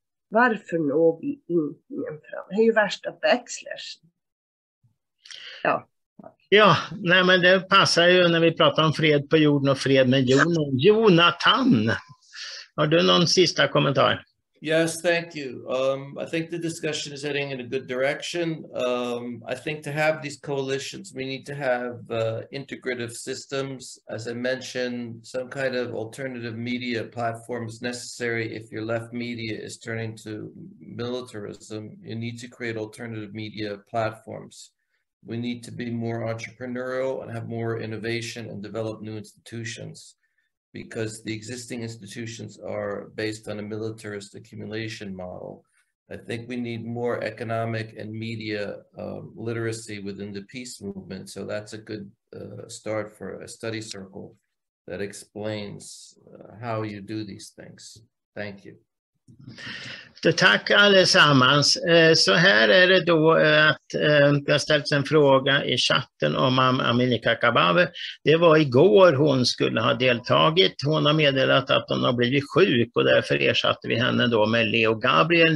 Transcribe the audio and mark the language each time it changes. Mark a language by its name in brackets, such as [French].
[Swedish] Varför når vi ingen fram? Det är ju värsta backslash. Ja. Ja, nej, men det passar ju när vi pratar om fred på jorden och fred med Jonathan. Har du någon sista kommentar? [English] Yes, thank you. I think the discussion is heading in a good direction. I think to have these coalitions, we need to have integrative systems. As I mentioned, some kind of alternative media platform is necessary. If your left media is turning to militarism, you need to create alternative media platforms. We need to be more entrepreneurial and have more innovation and develop new institutions, because the existing institutions are based on a militarist accumulation model. I think we need more economic and media literacy within the peace movement. So that's a good start for a study circle that explains how you do these things. Thank you. [Swedish] Tack allesammans. Så här är det då, att det har ställts en fråga i chatten om Amineh Kakabaveh. Det var igår hon skulle ha deltagit. Hon har meddelat att hon har blivit sjuk, och därför ersatte vi henne då med Leo Gabriel.